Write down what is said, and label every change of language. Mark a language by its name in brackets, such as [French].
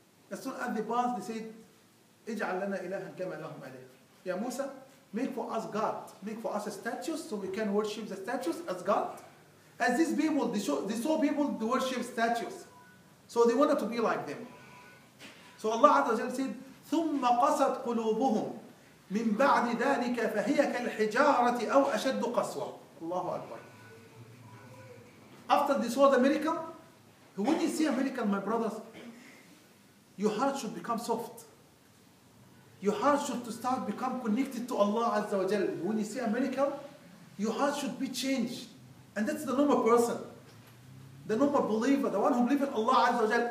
[English] As soon as they passed, they said, [Arabic] اجعل لنا إلها كما لهم عليه. [English] Ya Musa, make for us God. Make for us a statue so we can worship the statues as God. As these people, they saw people they worship statues. So they wanted to be like them. So Allah Azza wa Jal said, [Arabic] ثم قست قلوبهم من بعد ذلك فهي كالحجارة أو أشد قسوة. الله أكبر. [English] After they saw the miracle, When you see a miracle, my brothers, your heart should become soft. Your heart should start become connected to Allah Azza wa Jal. When you see a miracle, your heart should be changed. And that's the normal person. The normal believer, the one who believes in Allah Azza wa Jal.